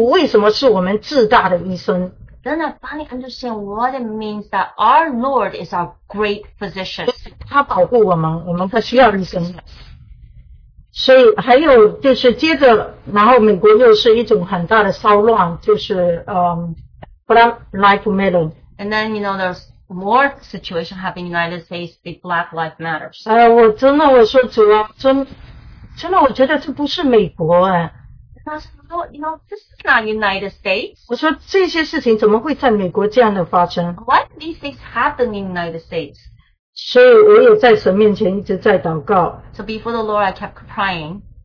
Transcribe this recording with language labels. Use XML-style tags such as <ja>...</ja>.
<zh>所以我同时我就明白了，哎呀，什么是主为什么是我们至大的医生？</zh> <en>Then I finally understand what it means that our Lord is our great physician.</en> <zh>他保护我们，我们他需要医生。所以还有就是接着然后美国又是一种很大的骚乱就是Black Lives Matter.</zh> <en>And then, you know, there's more situation happening in the United States, the Black Lives Matter.</en> <zh>我真的我说主啊真的我觉得这不是美国啊。</zh> <en>You know, this is not United States. Why do these things happen in the United States? So before the Lord, I kept praying.</en>